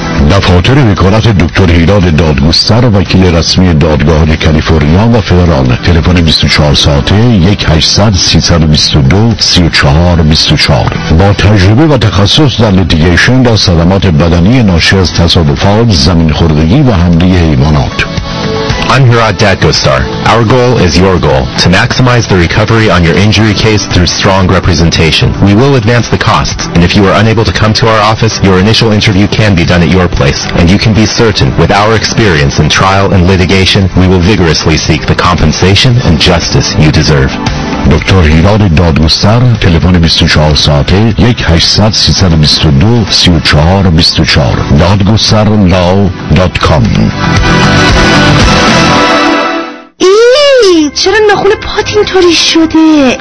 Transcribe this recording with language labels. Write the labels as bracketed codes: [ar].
[fa] دفاتر وکالت دکتر هیلاد دادگستر وکیل رسمی دادگاه کالیفرنیا و فدرال، تلفن 24 ساعته 1-800-322-3424. با تجربه و تخصص در لیتیگیشن در صدمات بدنی ناشی از تصادفات، زمین خوردگی و حمله حیوانات. [en] I'm Hirad Dadgostar. Our goal is your goal, to maximize the recovery on your injury case through strong representation. We will advance the costs, and if you are unable to come to our office, your initial interview can be done at your place. And you can be certain, with our experience in trial and litigation, we will vigorously seek the compensation and justice you deserve. [fa] دکتر هیلاد دادگستر، تلفن 24 ساعته 1-800-322-3424 dadgostarlaw.com. چرا ناخون پات اینطوری شده؟